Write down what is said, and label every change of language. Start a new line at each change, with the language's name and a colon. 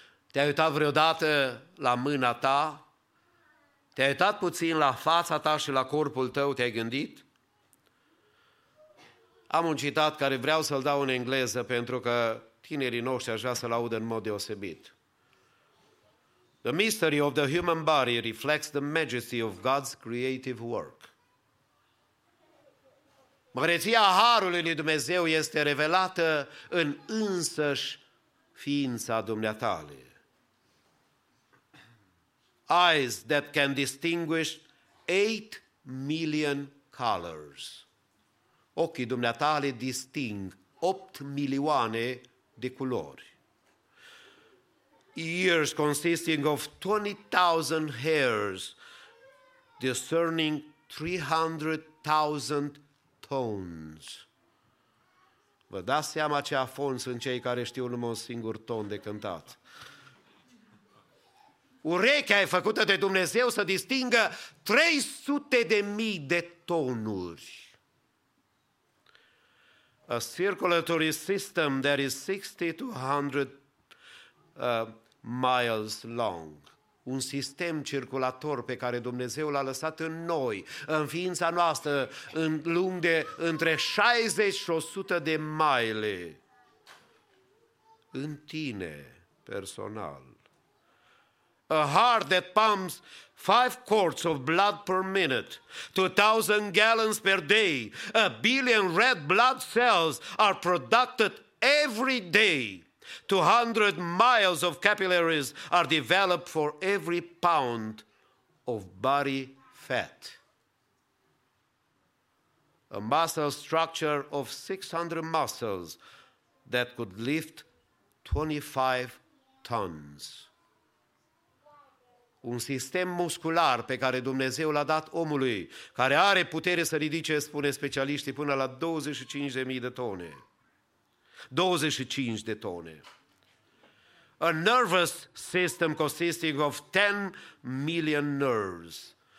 Romanian: Te-ai uitat vreodată la mâna ta? Te-ai uitat puțin la fața ta și la corpul tău, te-ai gândit? Am un citat care vreau să-l dau în engleză pentru că tinerii noștri aș vrea să-l audă în mod deosebit.
English: The mystery of the human body reflects the majesty of God's creative work.
Romanian: Măreția harului lui Dumnezeu este revelată în însăși ființa dumneatale.
English: Eyes that can distinguish 8 million colors.
Romanian: Ochii dumneatale disting 8 milioane de culori.
English: Ears consisting of 20,000 hairs discerning 300,000 tones.
Romanian: Vă dați seama ce afon sunt cei care știu numai un singur ton de cântat. Urechea e făcută de Dumnezeu să distingă 300.000 de tonuri.
English: A circulatory system that is 60 to 100 miles long.
Romanian: Un sistem circulator pe care Dumnezeu l-a lăsat în noi, în ființa noastră, în lung de între 60 și 100 de mile. În tine, personal.
English: A heart that pumps 5 quarts of blood per minute, 2,000 gallons per day, 1 billion red blood cells are produced every day, 200 miles of capillaries are developed for every pound of body fat. A muscle structure of 600 muscles that could lift 25 tons.
Romanian: Un sistem muscular pe care Dumnezeu l-a dat omului, care are putere să ridice, spune specialiștii, până la 25.000 de tone. 25 de tone.
English: A nervous system consisting of 10 million nerves.